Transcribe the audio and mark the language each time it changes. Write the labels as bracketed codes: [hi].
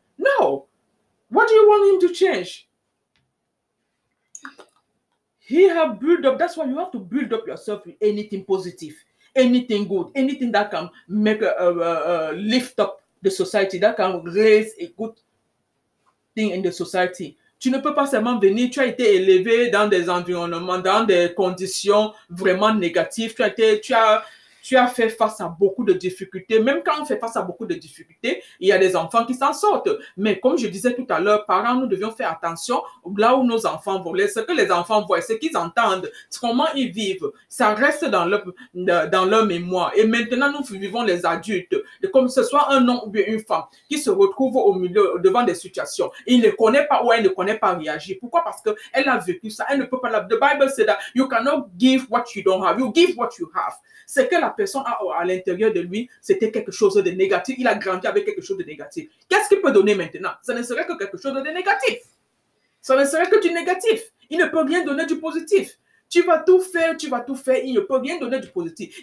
[en] No, what do you want him to change? He have built up. That's why you have to build up yourself with anything positive, anything good, anything that can make lift up the society, that can raise a good thing in the society. [fr] Tu ne peux pas seulement venir, tu as été élevé dans des environnements, dans des conditions vraiment négatives, tu as fait face à beaucoup de difficultés. Même quand on fait face à beaucoup de difficultés, il y a des enfants qui s'en sortent. Mais comme je disais tout à l'heure, parents, nous devions faire attention là où nos enfants vont. Ce que les enfants voient, ce qu'ils entendent, comment ils vivent, ça reste dans leur mémoire. Et maintenant, nous vivons les adultes, comme ce soit un homme ou une femme qui se retrouve au milieu, devant des situations. Il ne connaît pas ou elle ne connaît pas réagir. Pourquoi? Parce qu'elle a vécu ça. Elle ne peut pas. [en] The Bible said that you cannot give what you don't have. You give what you have. [fr] C'est que la personne à l'intérieur de lui, c'était quelque chose de négatif. Il a grandi avec quelque chose de négatif. Qu'est-ce qu'il peut donner maintenant? Ce ne serait que quelque chose de négatif. Ça ne serait que du négatif. Il ne peut rien donner du positif. Tu vas tout faire, tu vas tout faire. Il ne peut rien donner du positif.